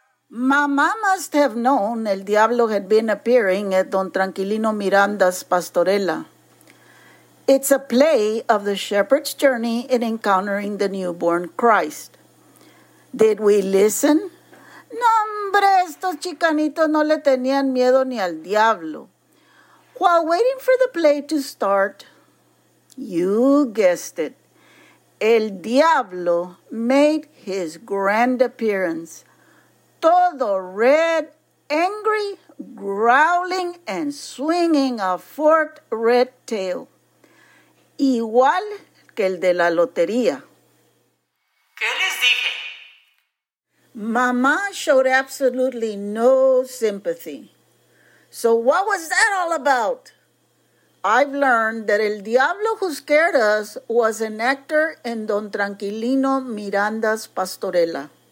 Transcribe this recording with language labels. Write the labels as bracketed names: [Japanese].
[English] Mama must have known El Diablo had been appearing at Don Tranquilino Miranda's Pastorela. It's a play of the shepherd's journey in encountering the newborn Christ. Did we listen? [Spanish] No, hombre, estos chicanitos no le tenían miedo ni al diablo. [English] While waiting for the play to start, you guessed it. El Diablo made his grand appearance. Todo red, angry, growling, and swinging a forked red tail. [Spanish] Igual que el de la lotería. ¿Qué les dije? [English] Mama showed absolutely no sympathy. So what was that all about? I've learned that El Diablo Who Scared Us was an actor in Don Tranquilino Miranda's Pastorela.